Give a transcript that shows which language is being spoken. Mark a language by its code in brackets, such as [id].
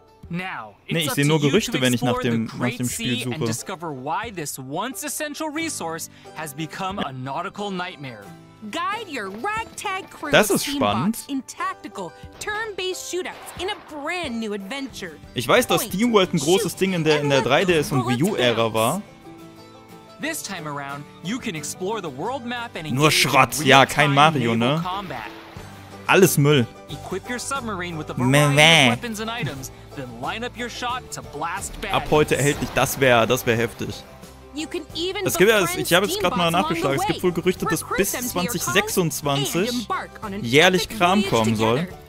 [de] Now, nee, ich sehe nur Gerüchte, wenn ich nach dem Spiel suche. [en] And discover why this once essential resource has become a nautical nightmare. Guide your ragtag crew of teambots in tactical turn-based shootouts in a brand new adventure. [de] Ich weiß, dass SteamWorld ein großes Ding in der 3DS und Wii U Ära war. [en] This time around, you can explore the world map and [de] nur Schrott, ja, kein Mario, ne? Alles Müll. [en] Equip your submarine with a variety of weapons and items. Then line up your shot to blast bad. [de] Ab heute erhältlich, das wäre heftig. Es gibt ja, ich habe jetzt gerade mal nachgeschlagen, es gibt wohl Gerüchte, dass bis 2026 jährlich Kram kommen soll.